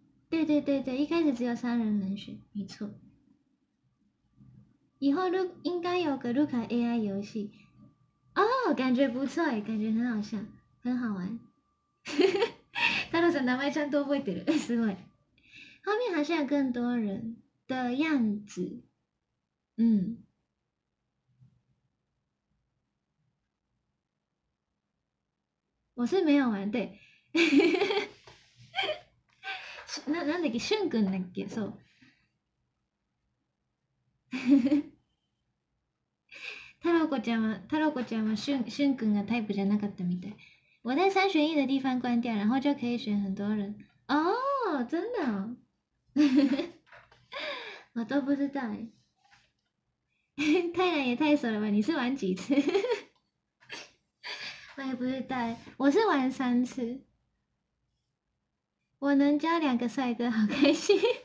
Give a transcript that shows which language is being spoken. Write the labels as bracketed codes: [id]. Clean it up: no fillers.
[zh] 对对对对，一开始只有三人能选，没错。以后应该有个 Luca AI 游戏，哦，感觉不错哎，感觉很好笑。很好玩， [ja] 太郎桑名前ちゃんと覚えてる，すごい。 [zh] 后面好像有更多人的样子，嗯。我是没有玩，对。 [ja] なんだっけ、俊くんだっけ、そう。太郎子ちゃんは俊くんがタイプじゃなかったみたい。 [zh] 我在三选一的地方关掉，然后就可以选很多人哦，真的、哦。我都不知道哎、太难也太熟了吧？你是玩几次？我也不知道，我是玩三次。我能交两个帅哥，好开心。